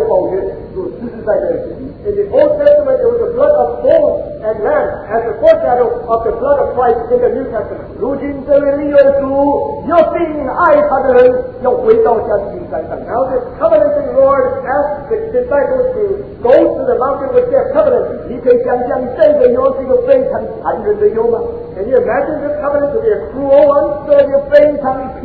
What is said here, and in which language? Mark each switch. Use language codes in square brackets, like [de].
[en] In the Old Testament, it was the blood of bulls and lambs as a foreshadow of the blood of Christ in the New Testament. [zh] 如今这位立约主要信爱他的人要回到加利利山上。 [en] Now this covenanting Lord asked the disciples to go to the mountain with their covenant. [zh] 你可以想象这个约是一个非常残忍的约吗？ [en] Can you imagine this covenant to be a cruel one?